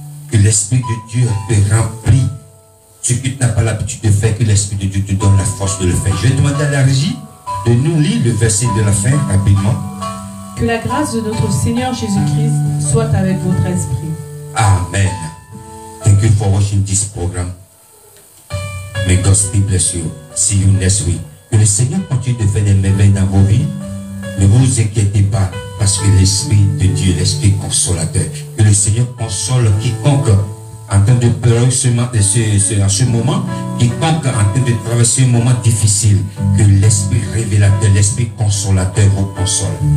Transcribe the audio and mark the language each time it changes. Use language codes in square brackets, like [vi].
[fr] Que l'Esprit de Dieu te remplit. Ce que tu n'as pas l'habitude de faire, que l'Esprit de Dieu te donne la force de le faire. Je vais demander à la régie de nous lire le verset de la fin rapidement. Que la grâce de notre Seigneur Jésus-Christ soit avec votre esprit. Amen. [en] Thank you for watching this program. May God bless you. See you next week. [fr] Que le Seigneur continue de faire des merveilles dans vos vies. Ne vous inquiétez pas, parce que l'Esprit de Dieu, l'Esprit consolateur, que le Seigneur console quiconque en train de pleurer en ce moment, quiconque en train de traverser un moment difficile, que l'Esprit révélateur, l'Esprit consolateur vous console.